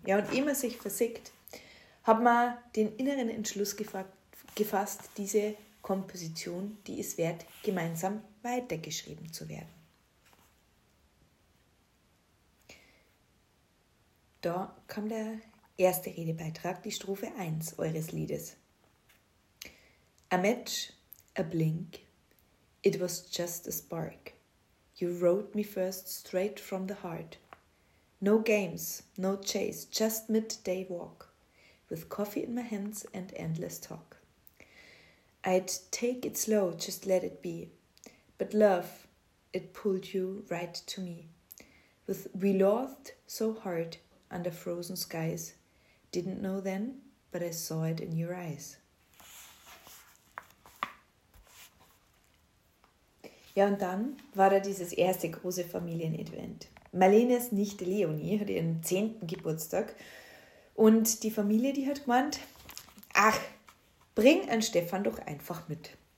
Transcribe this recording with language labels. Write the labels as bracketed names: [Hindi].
[German] Ja, und ehe man sich versickt, hat man den inneren Entschluss gefasst, diese Komposition, die ist wert, gemeinsam weitergeschrieben zu werden. Da kam der erste Redebeitrag, die Strophe 1 eures Liedes. [English] A match, a blink, it was just a spark. You wrote me first straight from the heart. No games, no chase, just midday walk. With coffee in my hands and endless talk. I'd take it slow, just let it be. But love, it pulled you right to me. With we loathed so hard under frozen skies. Didn't know then, but I saw it in your eyes. [German] Ja, und dann war da dieses erste große Familien-Event. Marlenes Nichte Leonie hat ihren 10. Geburtstag. Und die Familie, die hat gemeint, ach, bring einen Stefan doch einfach mit.